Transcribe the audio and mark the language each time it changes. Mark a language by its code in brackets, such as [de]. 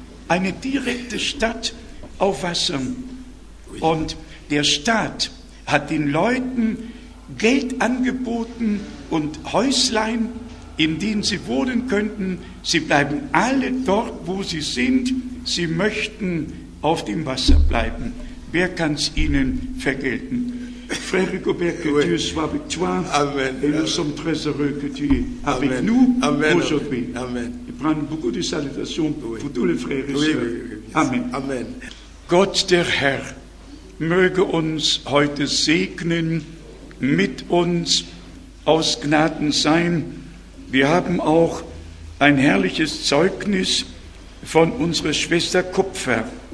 [de] Eine direkte Stadt auf Wasser. Und der Staat hat den Leuten Geld angeboten und Häuslein, in denen sie wohnen könnten. Sie bleiben alle dort, wo sie sind. Sie möchten auf dem Wasser bleiben. Wer kann es ihnen vergelten? [fr] Frère Rigobert, que Dieu soit avec toi. Amen. Et nous sommes très heureux que tu es avec nous aujourd'hui. Amen. [de] Ich [fr] prends beaucoup de salutations pour tous les frères et sœurs. Amen. Amen. [de] Gott, der Herr, möge uns heute segnen, mit uns aus Gnaden sein. Wir haben auch ein herrliches Zeugnis von unserer Schwester Kupfer.